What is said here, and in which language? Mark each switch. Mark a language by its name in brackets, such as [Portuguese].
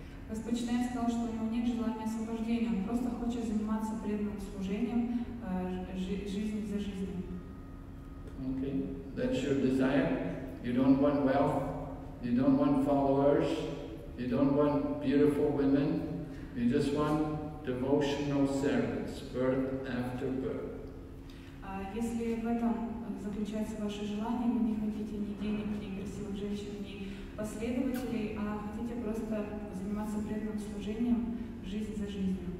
[Russian] Господь Чайтанья сказал, что у него нет желания освобождения, он просто хочет заниматься преданным служением, жизнь за жизнью. [English] Okay, that's your desire? You don't want wealth? You don't want followers, you don't want beautiful women, you just want devotional service, birth after birth. [Russian] Если в этом заключается ваше желание, вы не хотите ни денег, ни красивых женщин, ни последователей, а хотите просто заниматься преданным служением, жизнь за жизнью.